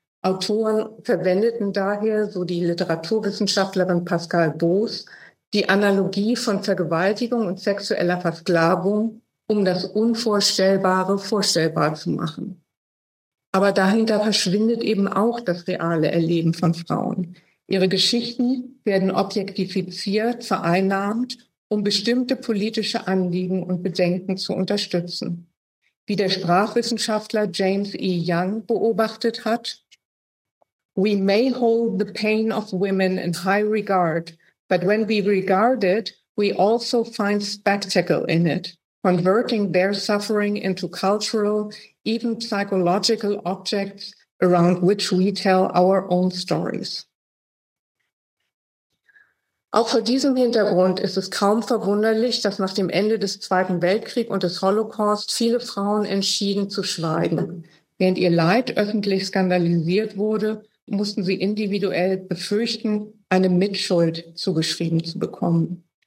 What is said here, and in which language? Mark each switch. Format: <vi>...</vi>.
<de>Autoren verwendeten daher, so die Literaturwissenschaftlerin Pascal Boos, die Analogie von Vergewaltigung und sexueller Versklavung, um das Unvorstellbare vorstellbar zu machen. Aber dahinter verschwindet eben auch das reale Erleben von Frauen. Ihre Geschichten werden objektifiziert, vereinnahmt, um bestimmte politische Anliegen und Bedenken zu unterstützen. Wie der Sprachwissenschaftler James E.</de> <en>Young</en> <de>beobachtet hat:</de> <en>"We may hold the pain of women in high regard, but when we regard it, we also find spectacle in it, converting their suffering into cultural, even psychological objects around which we tell our own stories."</en> <de>Auch vor diesem Hintergrund ist es kaum verwunderlich, dass nach dem Ende des Zweiten Weltkriegs und des Holocaust viele Frauen entschieden zu schweigen. Während ihr Leid öffentlich skandalisiert wurde, mussten sie individuell befürchten, eine Mitschuld zugeschrieben zu bekommen.</de>